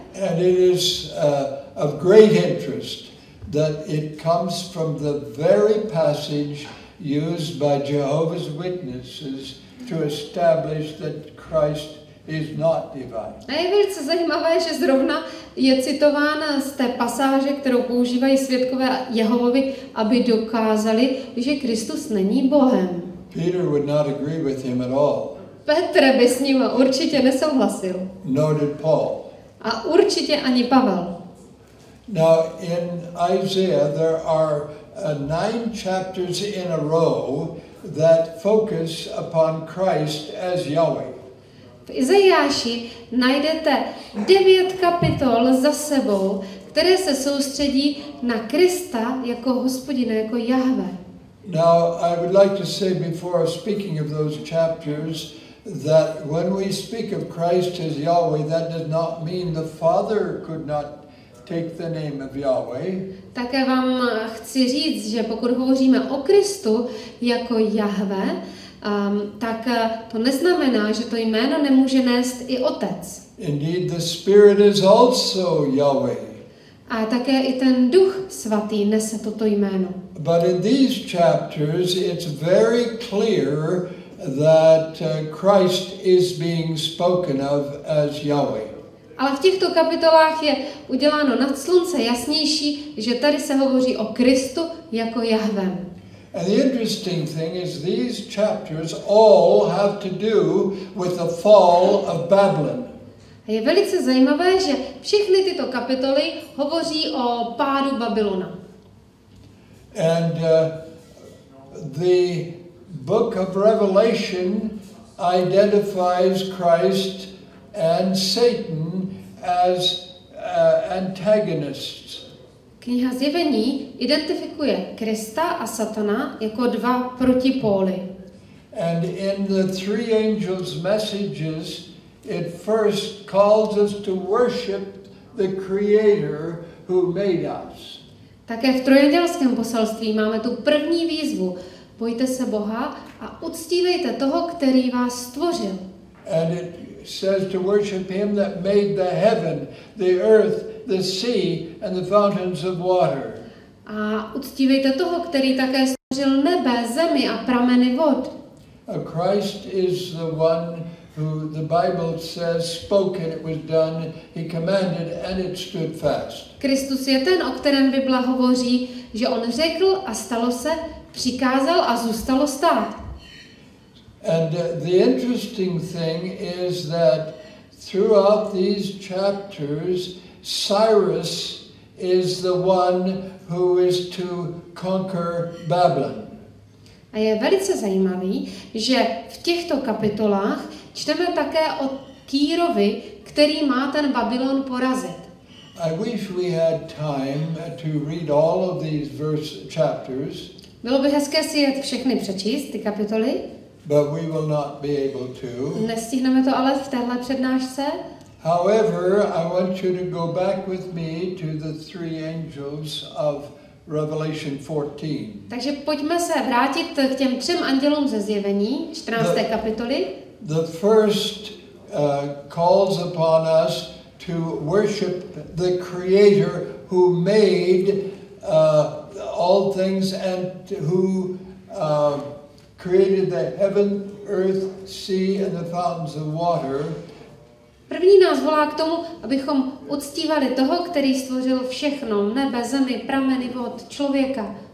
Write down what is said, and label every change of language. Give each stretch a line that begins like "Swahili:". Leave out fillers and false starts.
English: And it is of great interest that it comes from the very passage used by Jehovah's Witnesses to establish that Christ is not divine.
Czech: A je velice zajímavé, že zrovna je citován z té pasáže, kterou používají svědkové Jehovovi, aby dokázali, že Kristus není Bohem.
English: Peter would not agree with him at all.
Czech: Petr by s ním určitě nesouhlasil.
English: Nor did Paul.
Czech: A určitě ani Pavel.
English: Now in Isaiah there are nine chapters in a row that focus upon Christ as Yahweh.
Czech: V Izajáši najdete 9 kapitol za sebou, které se soustředí na Krista jako Hospodina, jako Jahve.
English: Now I would like to say before speaking of those chapters that when we speak of Christ as Yahweh, that does not mean the Father could not take the name of Yahweh.
Czech: Také vám chci říct, že pokud hovoříme o Kristu jako Jahve, tak to neznamená, že to jméno nemůže nést i Otec.
English: Indeed, the Spirit is also Yahweh.
Czech: A také i ten Duch svatý nese toto jméno.
English: But in these chapters, it's very clear that Christ is being spoken of as Yahweh.
Czech: Ale v těchto kapitolách je uděláno nad slunce jasnější, že tady se hovoří o Kristu jako Jahvem.
English: And the interesting thing is these chapters all have to do with the fall of Babylon.
Czech: A je velice zajímavé, že všechny tyto kapitoly hovoří o pádu Babylona.
English: And the book of Revelation identifies Christ and Satan as antagonists.
Czech: Kniha Zjevení identifikuje Krista a Satana jako dva protipóly.
English: And in the three angels' messages, it first calls us to worship the Creator who made us.
Czech: Také v trojandělském poselství máme tu první výzvu. Bojte se Boha a uctívejte toho, který vás stvořil.
English: And it says to worship him that made the heaven, the earth, the sea and the fountains of water.
Czech: A uctívejte toho, který také stvořil nebe, zemi a prameny vod.
English: A Christ is the one who the Bible says spoke and it was done, he commanded and it stood fast.
Czech: Kristus je ten, o kterém Bible hovoří, že on řekl a stalo se, přikázal a zůstalo stát.
English: And the interesting thing is that throughout these chapters, Cyrus is the one who is to conquer Babylon.
Czech: A je velice zajímavý, že v těchto kapitolách čteme také o Kýrovi, který má ten Babylon porazit.
English: I wish we had time to read all of these verse chapters.
Czech: Bylo by hezké si je všechny přečíst, ty kapitoly.
English: But we will not be able to.
Czech: Nestihneme to ale v téhle přednášce.
English: However, I want you to go back with me to the three angels of Revelation 14.
Czech: Takže pojďme se vrátit k těm třem andělům ze Zjevení, 14. kapitoly.
English: The first calls upon us to worship the Creator who made all things and who created the heaven, earth, sea and the fountains of water.
Czech: První nás volá k tomu, abychom uctívali toho, který stvořil všechno, nebe, zemi, prameny, vod, člověka.